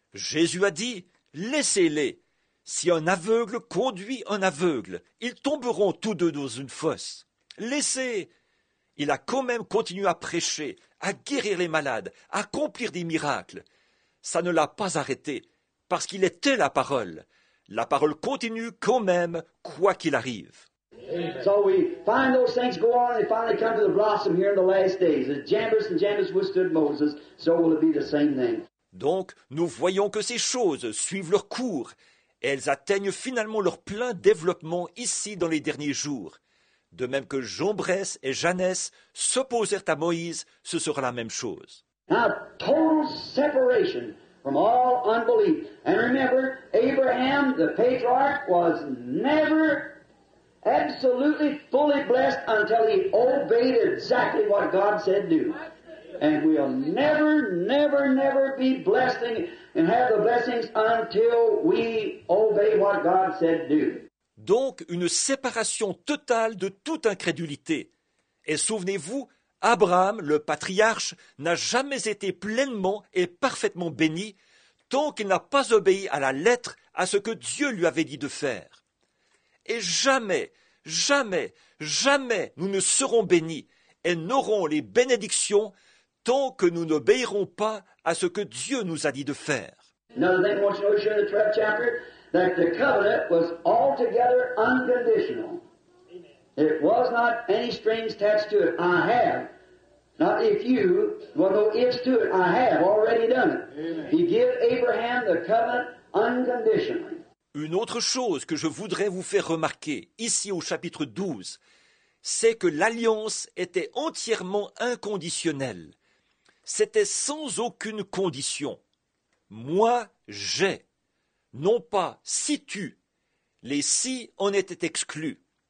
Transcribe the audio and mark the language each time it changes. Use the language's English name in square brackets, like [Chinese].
[French] Jésus a dit, laissez-les. Si un aveugle conduit un aveugle, ils tomberont tous deux dans une fosse. Laissez. Il a quand même continué à prêcher, à guérir les malades, à accomplir des miracles. Ça ne l'a pas arrêté. Parce qu'il était la parole. La parole continue quand même, quoi qu'il arrive. [English] So we find those things go on, and they finally come to the blossom here in the last days. As Jambres and Jambres withstood Moses, so will it be the same thing. [French] Donc, nous voyons que ces choses suivent leur cours, et elles atteignent finalement leur plein développement ici dans les derniers jours. De même que Jambres et Jannès s'opposèrent à Moïse, ce sera la même chose. [English] Now, total separation from all unbelief. And remember, Abraham, the patriarch, was never absolutely fully blessed until he obeyed exactly what God said do. And we'll never, never, never be blessed and have the blessings until we obey what God said do. [French] Donc, une séparation totale de toute incrédulité. Et souvenez-vous, Abraham, le patriarche, n'a jamais été pleinement et parfaitement béni tant qu'il n'a pas obéi à la lettre à ce que Dieu lui avait dit de faire. Et jamais, jamais, jamais nous ne serons bénis et n'aurons les bénédictions tant que nous n'obéirons pas à ce que Dieu nous a dit de faire. [English] Another thing I want you to know here in the 12th chapter, that the covenant was altogether unconditional. Amen. It was not any strings attached to it. I have. Not if you, well, no ifs to it. I have already done it. Amen. He gave Abraham the covenant unconditionally. [French] Une autre chose que je voudrais vous faire remarquer, ici au chapitre 12, c'est que l'alliance était entièrement inconditionnelle. C'était sans aucune condition. Moi, j'ai. Non pas si tu. Les si en étaient exclus.